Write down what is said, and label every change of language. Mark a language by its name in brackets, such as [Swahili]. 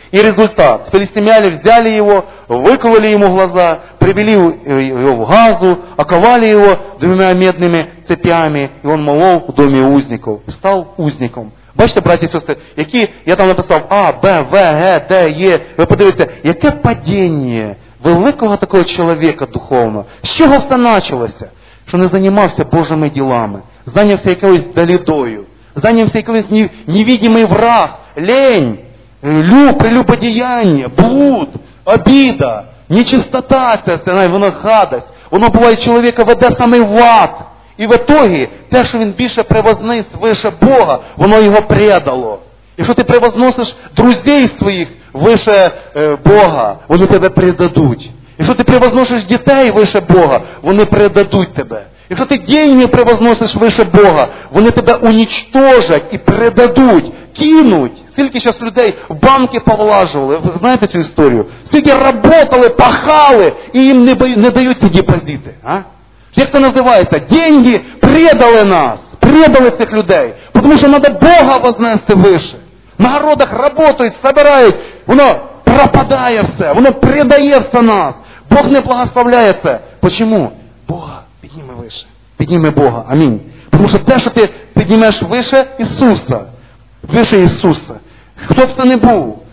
[Russian] И результат, филистимляне взяли его, выкололи ему глаза, привели его в Газу, оковали его 2 медными цепями, и он молол в доме узников, стал узником. Бачите, братья и сестры, какие, я там написал А, Б, В, Г, Д, Е, вы подивите, яке падение великого такого человека духовного, с чего все началось? [Ukrainian] Що не займався Божими ділами, зайнявся якоюсь далідою, зайнявся якоюсь невидимий враг, лень, прелюбодіяння, блуд, обіда, нечистота ця, вона гадость. Воно буває, чоловіка веде саме в ад. І в ітогі, те, що він більше превознес вище Бога, воно його предало. Якщо ти превозносиш друзів своїх вище Бога, вони тебе предадуть. Якщо ти превозносиш дітей вище Бога, вони предадуть тебе. Якщо ти деньги превозносиш вище Бога, вони тебе унічтожать і предадуть, кинуть. Скільки зараз людей в банки повлажували, ви знаєте цю історію? Скільки працювали, пахали, і їм не дають ці депозити. А? Як це називається? Деньги предали нас, предали цих людей. Тому що треба Бога вознести вище. На городах працюють, збирають, воно пропадає все, воно предає все нас. Бог не благословляє це. Почому? Бога підніми вище. Підніми Бога. Амінь. Тому що те, що ти піднімеш вище Ісуса. Вище Ісуса. Хто б це не був.